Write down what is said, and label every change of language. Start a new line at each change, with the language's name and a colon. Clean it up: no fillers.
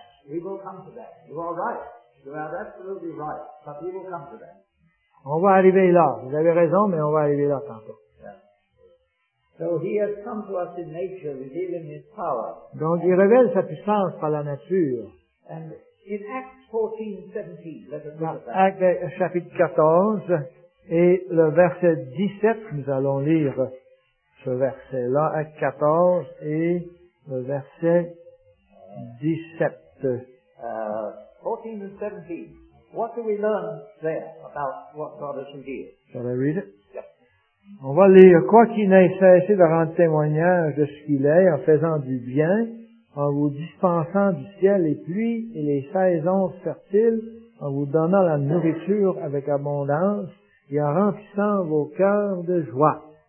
English: We will come to that. You are right. You are absolutely right. But we will come to that.
French: On va arriver là. Vous avez raison, mais on va arriver là tantôt.
English: So he has come to us in nature, revealing his power.
French: Donc il révèle sa puissance par la nature.
English: And in Acts 14, 17, let us look at that.
French: Chapitre 14 et le verset 17, nous allons lire ce verset-là. Acte 14 et le verset 17.
English: 14 and 17. What do we learn there about what God has revealed? Shall I read it?
French: On va lire, quoi qu'il n'ait cessé de rendre témoignage de ce qu'il est, en faisant du bien, en vous dispensant du ciel les pluies et les saisons fertiles, en vous donnant la nourriture avec abondance et en remplissant vos cœurs de joie.